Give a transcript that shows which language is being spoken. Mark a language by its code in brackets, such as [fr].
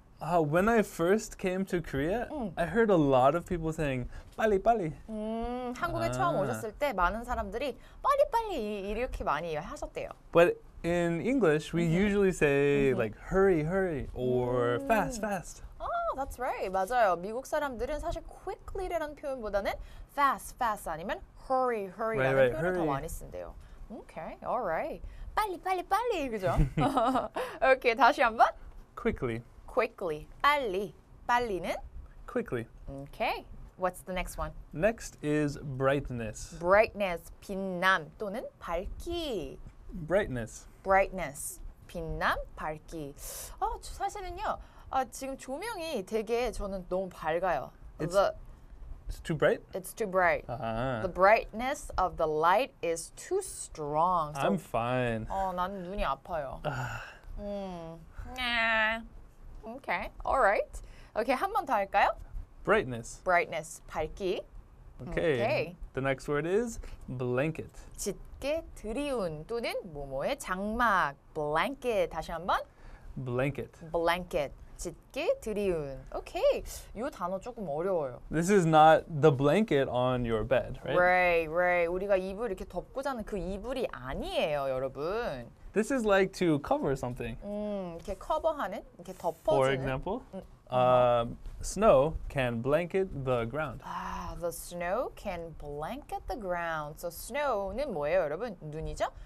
[en] When I first came to Korea, I heard a lot of people saying 빨리 빨리. [ko] 한국에 처음 오셨을 때 많은 사람들이 빨리 빨리 이렇게 많이 하셨대요. [en] But in English, we usually say like hurry hurry or fast fast. That's right. [ko] 맞아요. 미국 사람들은 사실 quickly라는 표현보다는 fast fast 아니면 hurry hurry라는 [en] right, right, [ko] 표현을 [en] hurry. [ko] 더 많이 쓴대요. [en] Okay, all right. [ko] 빨리 빨리 빨리 그죠? okay, 다시 한번. [en] Quickly. [ko] Quickly. 빨리. 빨리는? [en] Quickly. Okay. What's the next one? Next is brightness. [ko] Brightness. 빛남 또는 밝기. [en] Brightness. [ko] Brightness. 빛남, 밝기. 사실은요. 지금 조명이 되게 저는 너무 밝아요. [en] It's too bright? It's too bright. Uh-huh. The brightness of the light is too strong. So, I'm fine. [ko] 난 눈이 아파요. [en] Okay, all right. [ko] Okay, 한 번 더 할까요? [en] Brightness. [ko] Brightness, 밝기. [en] Okay. Okay. The next word is blanket. [ko] 짙게 드리운 또는 뭐뭐의 장막. Blanket, 다시 한 번. [en] Blanket. [ko] Blanket. 짙게 드리운. Okay. 요 단어 조금 어려워요. [en] This is not the blanket on your bed, right? Right, right. [ko] 우리가 이불 이렇게 덮고 자는 그 이불이 아니에요, 여러분. [en] This is like to cover something. [ko] 이렇게 커버하는, 이렇게 덮어주는. [en] For example, snow can blanket the ground. The snow can blanket the ground. So snow는 [ko] 뭐예요, 여러분? 눈이죠?